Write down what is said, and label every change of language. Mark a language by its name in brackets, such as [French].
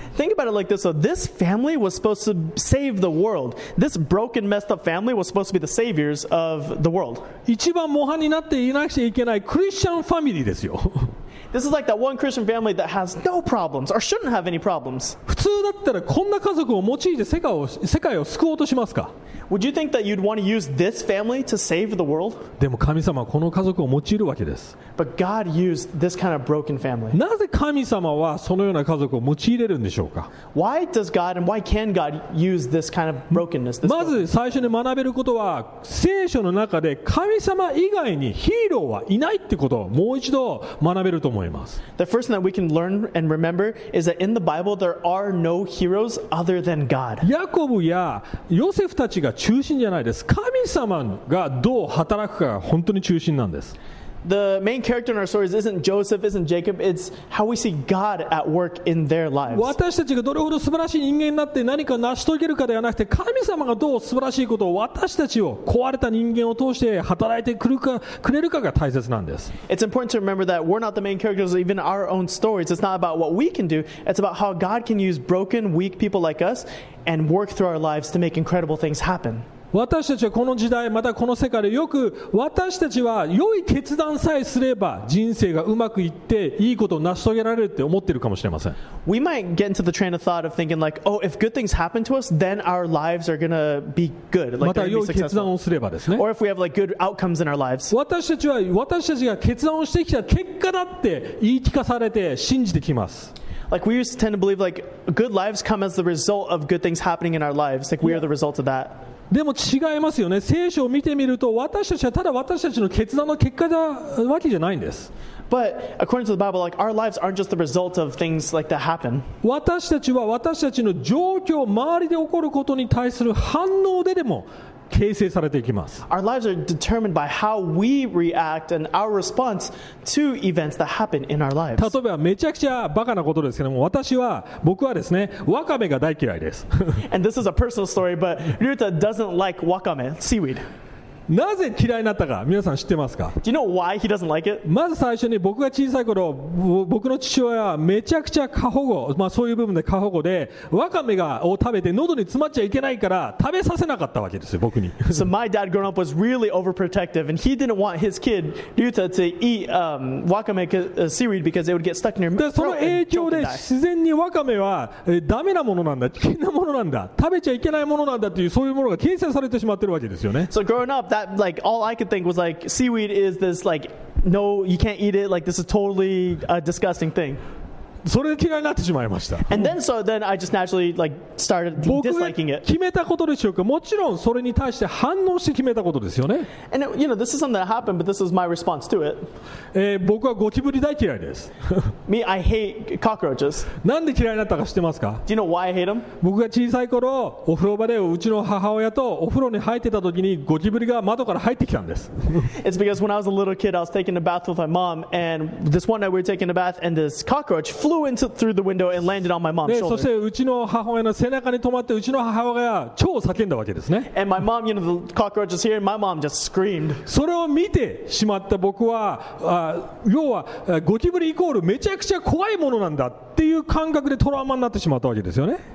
[English] Think about it like this. So this family was supposed to save the world. This broken, messed up family was supposed to be the saviors of the world. [Japanese] 一番模範になっていなくちゃいけないクリスチャンファミリーですよ。 [English] This is like that one Christian family that has no problems or shouldn't have any problems. [Japanese] 普通だったらこんな家族を用いて世界を救おうとしますか？ [English] Would you think that you'd want to use this family to save the world? [Japanese] でも神様はこの家族を用いるわけです。 [English] But God used this kind of broken family. [Japanese] なぜ神様はそのような家族を用いれるんでしょうか？ [English] Why does God and why can God use this kind of brokenness? [Japanese] まず最初に学べることは、聖書の中で神様以外にヒーローはいないってことをもう一度学べると思います。 [English] The first thing that we can learn and remember is that in the Bible there are no heroes other than God. [Japanese] ヤコブやヨセフたちが中心じゃないです。神様がどう働くかが本当に中心なんです。 [English] The main character in our stories isn't Joseph, isn't Jacob, it's how we see God at work in their lives. [Japanese] 私たちがどれほど素晴らしい人間になって何か成し遂げるかではなくて、神様がどう素晴らしいことを私たちを壊れた人間を通して働いてくれるかが大切なんです。 [English] It's important to remember that we're not the main characters of even our own stories. It's not about what we can do, it's about how God can use broken, weak people like us and work through our lives to make incredible things happen. [Japanese] 私たちはこの時代、またこの世界でよく、私たちは良い決断さえすれば人生がうまくいっていいことを成し遂げられるって思ってるかもしれません。 [English] We might get into the train of thought of thinking like, oh, if good things happen to us, then our lives are gonna be good, like, [Japanese] また良い決断をすればですね、 [English] or if we have like good outcomes in our lives. [Japanese] 私たちが決断をしてきた結果だって言い聞かされて信じてきます。 [English] Like we used to tend to believe like good lives come as the result of good things happening in our lives. Like we are the result of that. [Japanese] でも違いますよね。聖書を見てみると、私たちはただ私たちの決断の結果だわけじゃないんです。 [English] But according to the Bible, like our lives aren't just the result of things like that happen. [Japanese] 私たちは私たちの状況、周りで起こることに対する反応ででも形成されていきます。 [English] Our lives are determined by how we react and our response to events that happen in our lives. [Japanese] 例えばめちゃくちゃバカなことですけども、僕はですね、ワカメが大嫌いです。 [English] And this is a personal story, but Ryuta doesn't like wakame, seaweed. [Japanese] なぜ嫌いになったか皆さん知ってますか [English] Do you know why he doesn't like it? [Japanese] まず最初に僕が小さい頃僕の父親はめちゃくちゃ過保護、まあ、そういう部分で過保護でワカメを食べて喉に詰まっちゃいけないから食べさせなかったわけですよ僕に [English] So my dad growing up was really overprotective and he didn't want his kid Ryuta to eat wakame seaweed because it would get stuck in your throat and [Japanese] その影響で自然にワカメはダメなものなんだ危険なものなんだ食べちゃいけないものなんだっていうそういうものが形成されてしまってるわけですよね [English] So growing upThat like all I could think was like seaweed is this like no you can't eat it like this is totally a disgusting thing. [Japanese] それで嫌いになってしまいました。 [English] And then so then I just naturally like started disliking it. [Japanese] 僕が決めたことでしょうか。もちろんそれに対して反応して決めたことですよね。 [English] And you know this is something that happened, but this is my response to it. [Japanese] 僕はゴキブリ大嫌いです。 [English] Me, I hate cockroaches. [Japanese] なんで嫌いになったか知ってますか。 [English] Do you know why I hate them? [Japanese] 僕が小さい頃お風呂場でうちの母親とお風呂に入ってた時にゴキブリが窓から入ってきたんです。 [English] It's because when I was a little kid, I was taking a bath with my mom, and this one night we were taking a bath, and this cockroach flew into through the window and landed on my mom's shoulder. [Japanese] そしてうちの母親の背中に止まってうちの母親が超叫んだわけですね。 [English] And my mom, you know, the cockroach is here, and my mom just screamed. [Japanese] それを見てしまった僕は、要はゴキブリイコールめちゃくちゃ怖いものなんだっていう感覚でトラウマになってしまったわけですよね。